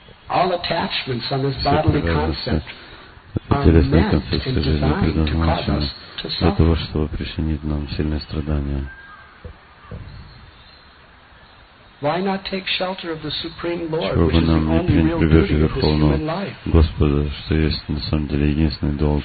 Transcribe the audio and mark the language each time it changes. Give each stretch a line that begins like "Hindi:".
English: All attachments on this bodily concept are meant and designed to cause us
Russian: для того, чтобы причинить нам сильные страдания.
English: Why not take shelter of the Supreme Lord, which is the only real duty of this human life?
Russian: Господа, что есть на самом деле единственный долг